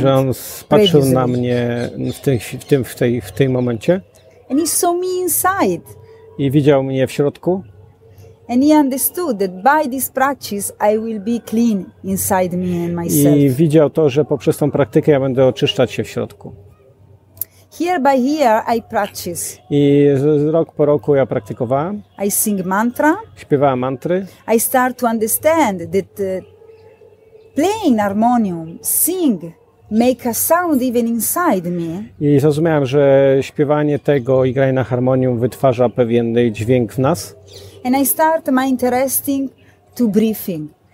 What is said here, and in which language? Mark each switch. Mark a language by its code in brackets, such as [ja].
[pl] Że on patrzył na mnie w tym momencie. [en] And he saw me inside. [pl] I widział mnie w środku. [en] And he understood that by this practice I will be clean inside me and myself. [pl] I widział to, że poprzez tą praktykę ja będę oczyszczać się w środku. [en] Year by year I practice. [pl] I rok po roku ja praktykowałam. [en] I sing mantra. [pl] Śpiewałam mantry. [en] I start to understand that playing harmonium, sing, make a sound even inside me. [pl] I zrozumiałam, że śpiewanie tego i granie na harmonium wytwarza pewien dźwięk w nas. [en] And I start my interesting to breathing.